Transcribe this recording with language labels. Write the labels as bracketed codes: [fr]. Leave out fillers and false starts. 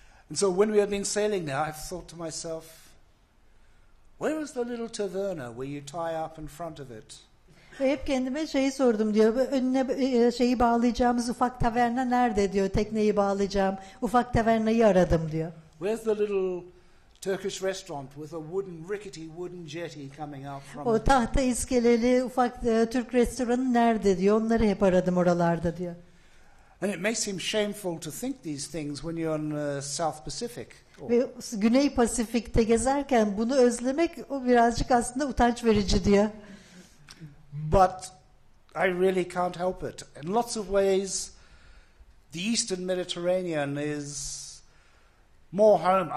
[en] And so when we have been sailing there, I've thought to myself, where is the little taverna where you tie up in front of it? [tr] Ve hep kendime şeyi sordum diyor, önüne şeyi bağlayacağımız ufak taverna nerede diyor, tekneyi bağlayacağım, ufak tavernayı aradım diyor. [en] Where's the little Turkish restaurant with a wooden, rickety wooden jetty coming out from... [tr] O tahta iskeleli ufak Türk restoranı nerede diyor, onları hep aradım oralarda diyor. [en] And it may seem shameful to think these things when you're in the South Pacific. [tr] Ve Güney Pasifik'te gezerken bunu özlemek o birazcık aslında utanç verici diyor. [en] But I really can't help it. In lots of ways, the Eastern Mediterranean is more home.